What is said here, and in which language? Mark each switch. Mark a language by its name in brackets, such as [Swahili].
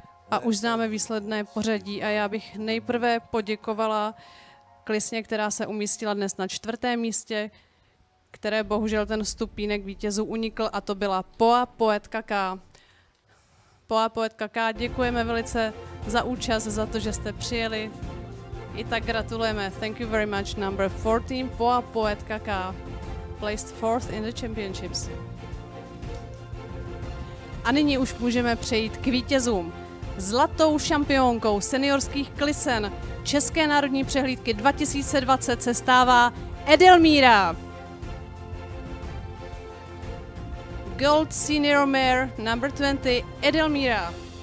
[Czech] A už známe výsledné pořadí a já bych nejprve poděkovala Klisně, která se umístila dnes na 4. místě, které bohužel ten stupínek vítězů unikl, a to byla Poa Poet Kaká. Poa Poet Kaká, děkujeme velice za účast, za to, že jste přijeli. I tak gratulujeme. [English] Thank you very much, number 14, Poa Poet Kaká, placed 4th in the championships. [Czech] A nyní už můžeme přejít k vítězům. Zlatou šampionkou seniorských klisen České národní přehlídky 2020 se stává Edelmíra. [English] Gold senior mare number 20 Edelmíra.